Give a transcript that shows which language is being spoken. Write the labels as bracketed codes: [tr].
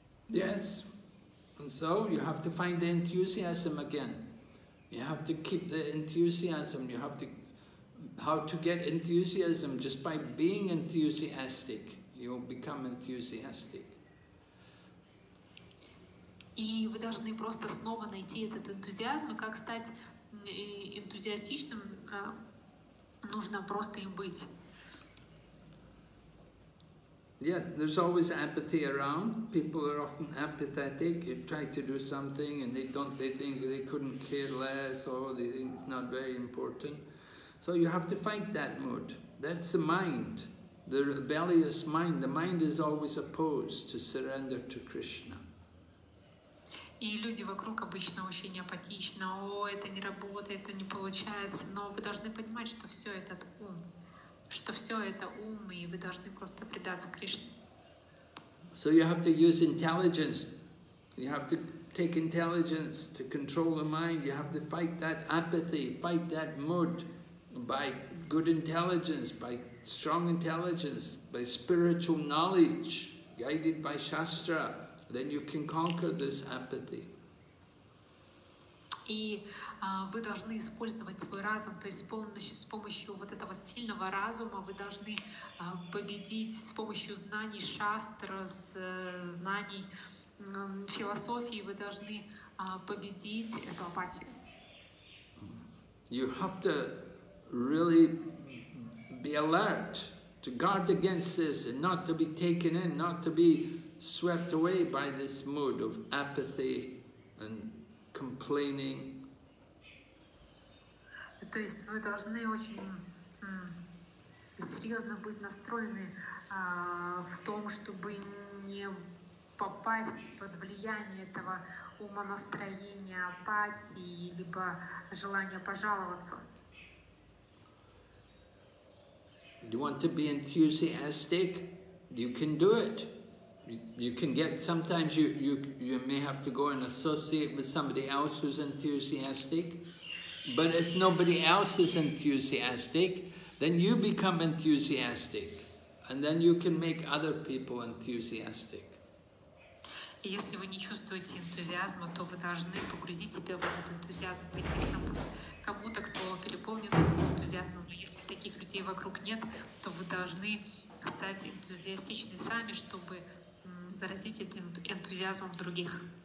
[en] Yes, and so you have to find the enthusiasm again. You have to keep the enthusiasm. You have to how to get enthusiasm just by being enthusiastic. You'll become enthusiastic. [ru] И вы должны просто снова найти этот энтузиазм, и как стать энтузиастичным, нужно просто им быть. [en] Yeah, there's always apathy around. People are often apathetic. You try to do something and they think they couldn't care less, or they think it's not very important. So you have to fight that mood. That's the mind. The rebellious mind. The mind is always opposed to surrender to Krishna. [ru] И люди вокруг обычно очень апатично. О, это не работает, это не получается. Но вы должны понимать, что все это ум. Что все это ум, и вы должны просто предаться Кришне. [en] So you have to use intelligence. You have to take intelligence to control the mind. You have to fight that apathy, fight that mood by good intelligence, by strong intelligence, by spiritual knowledge, guided by Shastra. Then you can conquer this apathy. [ru] И вы должны использовать свой разум, то есть с помощью вот этого сильного разума вы должны победить, с помощью знаний шастра, знаний философии вы должны победить эту апатию. [en] You have to really be alert to guard against this and not to be taken in, not to be swept away by this mood of apathy and complaining. [ru] То есть вы должны очень серьезно быть настроены в том, чтобы не попасть под влияние этого умонастроения, апатии либо желания пожаловаться. [en] Do you want to be enthusiastic? You can do it. You can get, sometimes you may have to go and associate with somebody else who's enthusiastic. But if nobody else is enthusiastic, then you become enthusiastic. And then you can make other people enthusiastic. [ru] Если вы не чувствуете энтузиазма, то вы должны погрузить себя в этот энтузиазм, прийти к кому-то, кто переполнен этим энтузиазмом. Но если таких людей вокруг нет, то вы должны стать энтузиастичны сами, чтобы заразить этим энтузиазмом других.